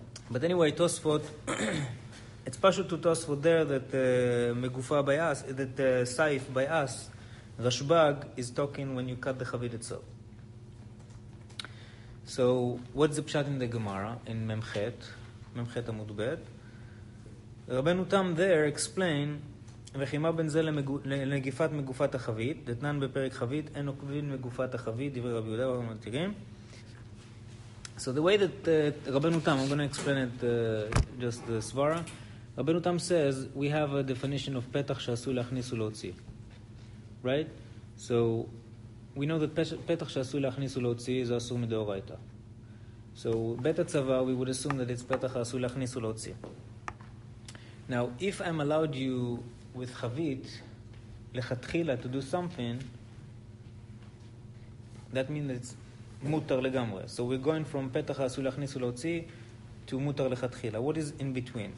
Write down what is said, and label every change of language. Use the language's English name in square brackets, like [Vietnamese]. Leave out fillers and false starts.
[English] But anyway, Tosfot, it's partial to Tosfot there that Megufa by us, that Saif by us, Rashbag, is talking when you cut the Chavit itself. So, what's the Pshat in the Gemara, in Memchet, Memchet Amud Bet? [Hebrew] Rabbeinu Tam there explained, וחימה בין זה לנגיפת מגופת החבית, דתנן בפרק חבית, אין עוקבין מגופת החבית, דברי רבי יהודה ומתירים. [English] So the way that רבנו תם, I'm going to explain it just the סברה. רבנו תם says, we have a definition of פתח שעשוי להכניס ולהוציא. Right? [Hebrew] So we know that פתח שעשוי להכניס ולהוציא זה אסור מדאורייתא. [English] So בית הצבא, we would assume that it's פתח שעשוי להכניס ולהוציא. Now, if I'm allowed you with chavit, lechatchila, to do something, that means it's mutar legamre. So we're going from petach asu lachnis u lautzi to mutar lechatchila. What is in between?